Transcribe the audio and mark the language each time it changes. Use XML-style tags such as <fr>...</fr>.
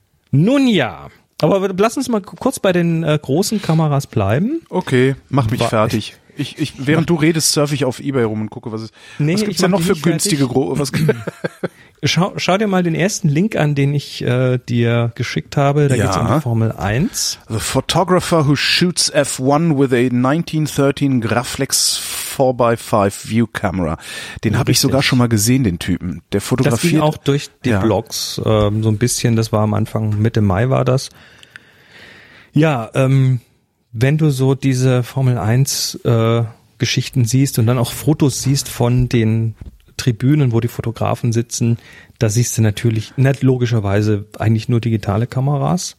<de>Nun ja, aber lass uns mal kurz bei den großen Kameras bleiben. Okay, mach mich fertig. Ich während du redest, surfe ich auf eBay rum und gucke, was es nee, gibt's denn noch für günstige was. Schau dir mal den ersten Link an, den ich dir geschickt habe. Da geht's um die Formel 1.</de> <en>The photographer who shoots F1 with a 1913 Graflex 4x5 View Camera.</en> <de>Den habe ich sogar schon mal gesehen, den Typen. Der fotografiert. Das ging auch durch die Blogs so ein bisschen. Das war am Anfang, Mitte Mai war das. Ja, wenn du so diese Formel 1 Geschichten siehst und dann auch Fotos siehst von den Tribünen, wo die Fotografen sitzen, da siehst du natürlich nicht logischerweise eigentlich nur digitale Kameras.</de>